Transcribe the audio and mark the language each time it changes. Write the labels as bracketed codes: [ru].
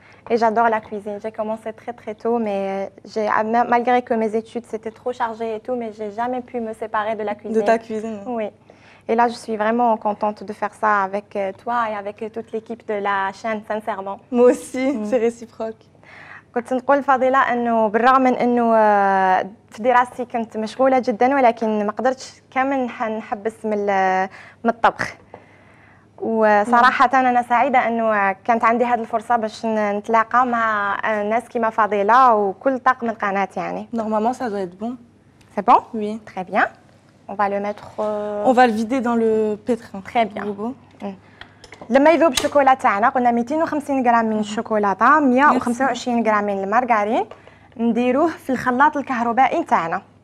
[fr] Et j'adore la cuisine. J'ai commencé très très tôt, mais malgré que mes études c'était trop chargé et tout, mais j'ai jamais pu me séparer de la cuisine. De ta cuisine. Oui. Et là, je suis vraiment contente de faire ça avec toi et avec toute l'équipe de la chaîne, sincèrement. Moi aussi, c'est réciproque. [ar] كنت نقول فضيلة أنه بالرغم من أنه في دراستي كنت مشغولة جدا ولكن ما قدرتش كامل نحبس من الطبخ وصراحة أنا سعيدة أنه كانت عندي هذه الفرصة باش نتلاقى مع ناس كيما فضيلة وكل طاقم القناة يعني. [fr] Normalement ça doit être bon. C'est bon? Oui. Très bien. On va le mettre. On va le vider dans le pétrin. Très bien. [ar] لما يذوب الشوكولاته تاعنا قلنا 250 غرام من الشوكولاته 125 غرام من المارغارين نديروه في الخلاط الكهربائي تاعنا